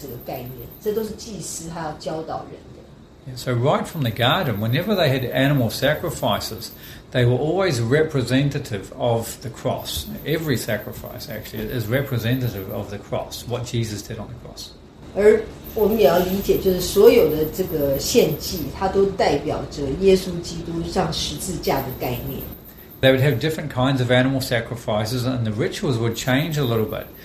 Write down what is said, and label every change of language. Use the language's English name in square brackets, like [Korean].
[Chinese] 而祭司在旧约时代呢，他也扮演了教导的责任，就是他要教导人，包括这个献祭的意义，比如说当人拿着这个这些牲畜来献祭给神的时候，他其实尤其是那个羔羊的献祭，其实他也代表的是献上了这个耶稣基督来代替我们的罪的这个概念，这都是祭司他要教导人的。 [English] So right from the garden, whenever they had animal sacrifices, they were always representative of the cross. Every sacrifice, actually, is representative of the cross, what Jesus did on the cross. [Chinese] 而我们也要理解，就是所有的这个献祭，它都代表着耶稣基督上十字架的概念。 [English] They would have different kinds of animal sacrifices, and the rituals would change a little bit.